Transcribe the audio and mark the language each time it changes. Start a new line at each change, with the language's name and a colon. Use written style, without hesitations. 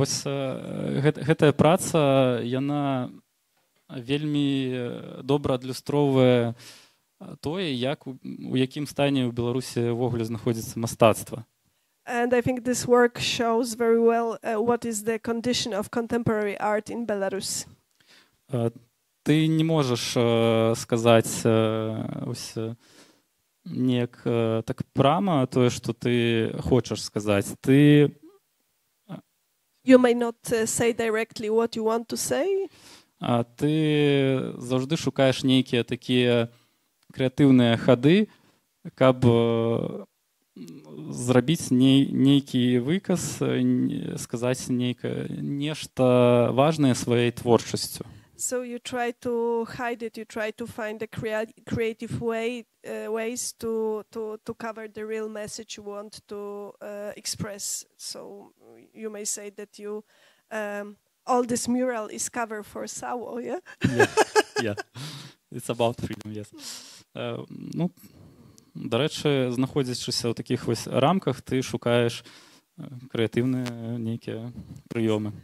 Belarusian: Ось гэтая праца, яна вельмі добра адлюстроўвае тое, як у якім стані ў Беларусі ўвогуле знаходзіцца мастацтва.
English: And I think this work shows very well what is the condition of contemporary art in Belarus.
Belarusian: Ты не можаш сказаць ось неяк так прама тое, што ты хочаш сказаць. Ты
English: You may not say directly what you want to say.
Belarusian: А ты заўжды шукаеш нейкія такія крэатыўныя хады, каб зрабіць нейкі выказ, сказаць нешта важнае сваёй творчасцю.
English: So you try to hide it, you try to find the creative way ways to cover the real message you want to express. So you may say that you all this mural is cover for Sawo, yeah? Yeah. Yeah. It's about freedom, yes.
Ukrainian: Ну, до речі, знаходячись у таких ось рамках, ти шукаєш креативні некі прийоми.